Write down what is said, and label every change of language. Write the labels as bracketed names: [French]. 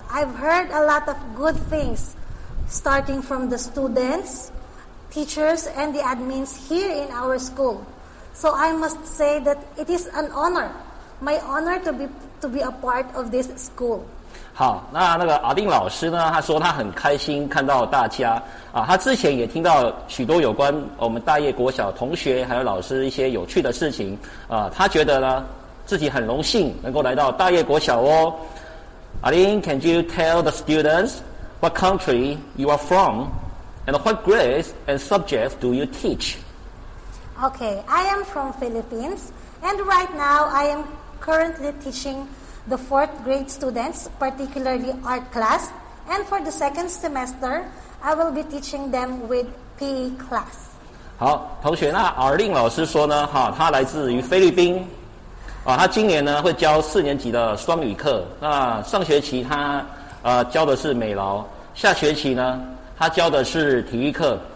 [English] I've heard a lot of good things starting from the students, teachers, and the admins here in our school. So I must say that it is an honor. My honor to be a part of this school. [Chinese] 好，那个阿丁老师呢？他说他很开心看到大家啊。他之前也听到许多有关我们大业国小同学还有老师一些有趣的事情啊。他觉得呢，自己很荣幸能够来到大业国小哦。 [English] 阿丁，Can you tell the students what country you are from and what grades and subjects do you teach? Okay, I am from Philippines, and right now I am currently teaching the fourth grade students, particularly art class, and for the second semester, I will be teaching them with PE class. [Chinese] 好，同学，那尔令老师说呢，哈，他来自于菲律宾，啊，他今年呢会教四年级的双语课。那上学期他教的是美劳，下学期呢他教的是体育课。